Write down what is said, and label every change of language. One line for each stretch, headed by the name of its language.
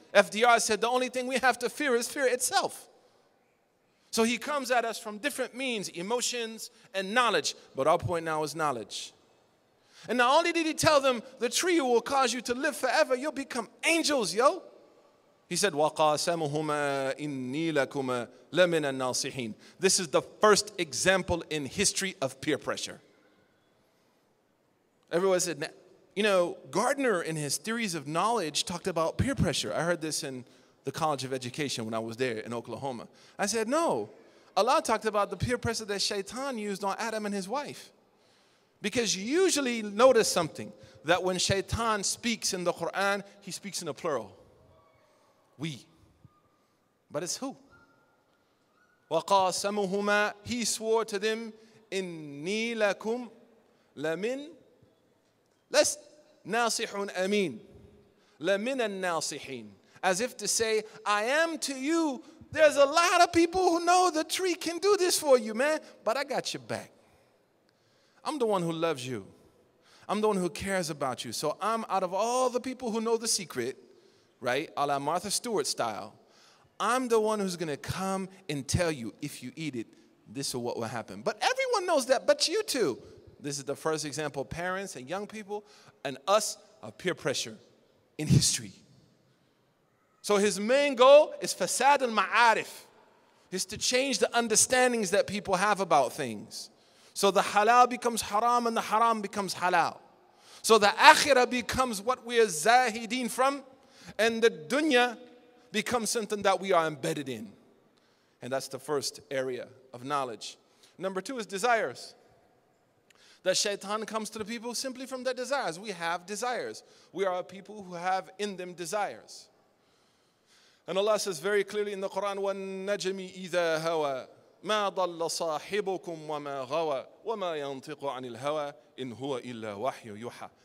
English: FDR said, the only thing we have to fear is fear itself. So he comes at us from different means, emotions and knowledge. But our point now is knowledge. And not only did he tell them, the tree will cause you to live forever, you'll become angels, yo. He said,
Arabic: وَقَاسَمُهُمَا إِنِّي لَكُمَا لَمِنَ النَّاصِحِينَ.
English: This is the first example in history of peer pressure. Everyone said, you know, Gardner in his theories of knowledge talked about peer pressure. I heard this in the College of Education when I was there in Oklahoma. I said, no, Allah talked about the peer pressure that Shaitan used on Adam and his wife. Because you usually notice something, that when Shaitan speaks in the Quran, he speaks in a plural. We. But it's who? وَقَاسَمُهُمَا. He swore to them,
Arabic: إِنِّي لَكُمْ لَمِنْ لَسْنَاصِحٌ أَمِينٌ لَمِنَ النَّاصِحِينَ.
English: As if to say, I am to you. There's a lot of people who know the tree can do this for you, man. But I got your back. I'm the one who loves you. I'm the one who cares about you. So I'm, out of all the people who know the secret, right, a la Martha Stewart style, I'm the one who's going to come and tell you, if you eat it, this is what will happen. But everyone knows that, but you too. This is the first example, parents and young people and us, of peer pressure. in history. So his main goal is fasad al-ma'arif, is to change the understandings that people have about things. So the halal becomes haram and the haram becomes halal. So the akhirah becomes what we are zahideen from, and the dunya becomes something that we are embedded in. And that's the first area of knowledge. Number two is desires. That shaitan comes to the people simply from their desires. We have desires. We are a people who have in them desires. And Allah says very clearly in the Quran,
Arabic: وَالنَّجْمِ إِذَا هَوَى مَا ضَلَّ صَاحِبُكُمْ وَمَا غَوَى وَمَا يَنْطِقُ عَنِ الْهَوَى إِنْ هُوَ إِلَّا وَحْيُ يُحَى.